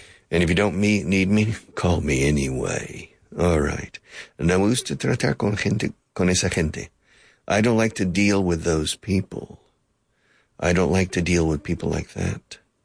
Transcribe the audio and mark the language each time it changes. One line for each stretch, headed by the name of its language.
English: And if you don't need me, call me anyway. All right.
Spanish: No me gusta tratar con gente, con esa gente.
English: I don't like to deal with those people. I don't like to deal with people like that.